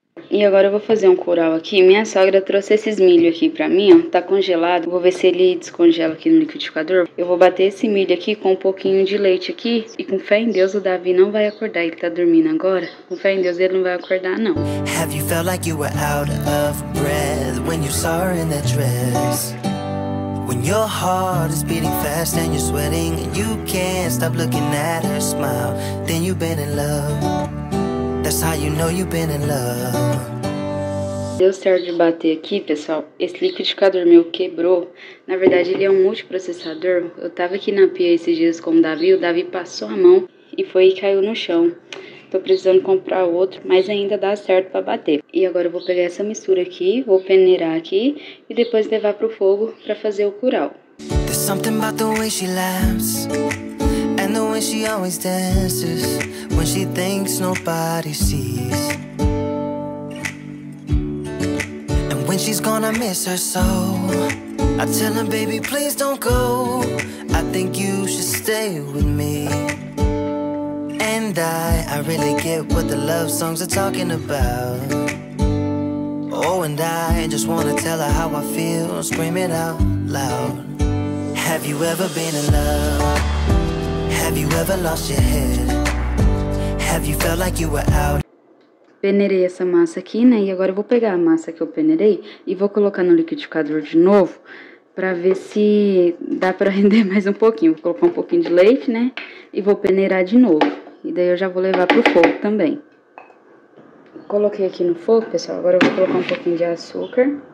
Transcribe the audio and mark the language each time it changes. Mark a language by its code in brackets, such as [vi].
[pt] E agora eu vou fazer um curau aqui. Minha sogra trouxe esses milho aqui pra mim, ó. Tá congelado. Vou ver se ele descongela aqui no liquidificador. Eu vou bater esse milho aqui com um pouquinho de leite aqui. E com fé em Deus, o Davi não vai acordar. Ele tá dormindo agora. Com fé em Deus, ele não vai acordar, não. [en] Have you felt like you were out of breath when you saw her in that dress? When your heart is beating fast and you're sweating and you can't stop looking at her smile, then you've been in love. That's how you know you've been in love. [pt] Deu certo de bater aqui, pessoal. Esse liquidificador meu quebrou. Na verdade, ele é um multiprocessador. Eu tava aqui na pia esses dias com o Davi passou a mão e foi e caiu no chão. Tô precisando comprar outro, mas ainda dá certo pra bater. E agora eu vou pegar essa mistura aqui, vou peneirar aqui e depois levar pro fogo pra fazer o curau. [en] There's something about the way she laughs and the way she always dances when she thinks nobody sees. And when she's gonna miss her soul, I tell her, baby, please don't go. I think you should stay with me. And I really get what the love songs are talking about. Oh, and I just wanna tell her how I feel, scream it out loud. Have you ever been in love? Have you ever lost your head? Have you felt like you were out? [pt] Peneirei essa massa aqui, né? E agora eu vou pegar a massa que eu peneirei e vou colocar no liquidificador de novo pra ver se dá pra render mais um pouquinho. Vou colocar um pouquinho de leite, né? E vou peneirar de novo. E daí eu já vou levar pro fogo também. Coloquei aqui no fogo, pessoal. Agora eu vou colocar um pouquinho de açúcar.